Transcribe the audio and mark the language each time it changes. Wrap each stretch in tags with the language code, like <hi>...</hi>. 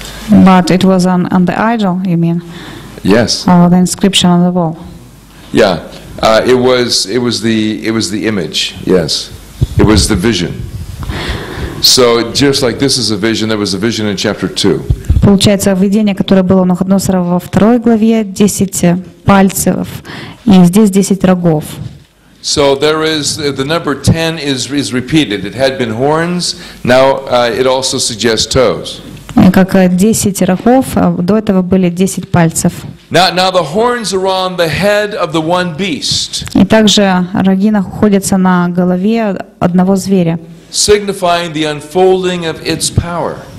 <en>But it was on the idol, you mean? Yes. Or the inscription on the wall. Yeah. It was the image. Yes. It was the vision. So just like this is a vision, there was a vision in chapter 2.</en> <ru>Получается, видение, которое было у Навуходоносора во второй главе, 10 пальцев, и здесь 10 рогов.</ru> <en>So there is the number 10 is repeated. It had been horns, now it also suggests toes.</en> <ru>Как 10 рогов, до этого были 10 пальцев.</ru> <en>Now the horns are on the head of the one beast.</en> <ru>И также роги находятся на голове одного зверя.</ru> <en>Signifying the unfolding of its power.</en>